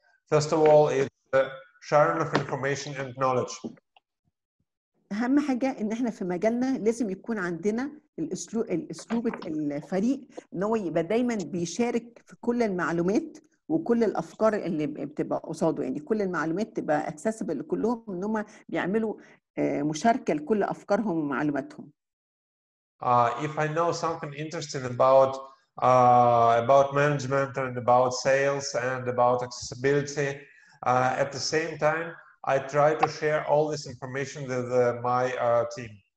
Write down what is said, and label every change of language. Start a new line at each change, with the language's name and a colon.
English: First of all, it's sharing of information and knowledge.
Arabic: أهم حاجة إن إحنا في مجالنا لازم يكون عندنا الأسلوب الفريق إن هو يبقى دايما بيشارك في كل المعلومات وكل الأفكار اللي بتبقى قصاده، يعني كل المعلومات تبقى accessible لكلهم، إن هم بيعملوا مشاركة لكل أفكارهم ومعلوماتهم.
English: If I know something interesting about management and about sales and about accessibility, at the same time, I try to share all this information with my team.